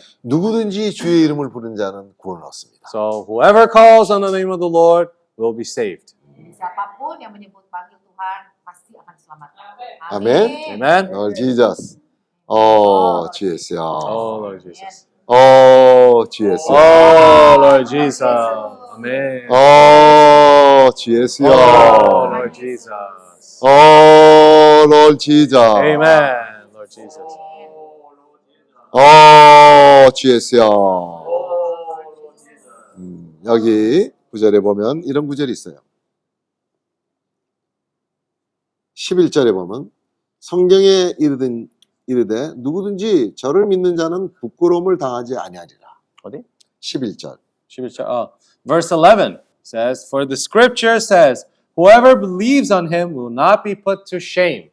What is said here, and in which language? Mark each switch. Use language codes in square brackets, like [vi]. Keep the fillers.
[ko] 누구든지 주의 이름을 부른 자는 구원을 얻습니다. [en] So whoever calls on the name of the Lord will be saved. [id] 자파폰 yang menyebut panggil Tuhan pasti akan selamat. [ko] 아멘. 아멘. 어 지저스. 어 지에스야. 어 지에스. [en] Oh, GS. Oh, Lord Jesus. Amen. Oh, GS. Oh, Lord Jesus. Oh, Lord Jesus. Amen. Lord Jesus. Oh, GS. Oh, Lord Jesus. [ko] 음, 구절에 보면 이런 구절이 있어요. 11절에 보면 성경에 이르든 이르되 누구든지 저를 믿는 자는 부끄러움을 당하지 아니하리라. 어디? 11절. 11절. [en] 아, verse 11 says for the scripture says whoever believes on him will not be put to shame.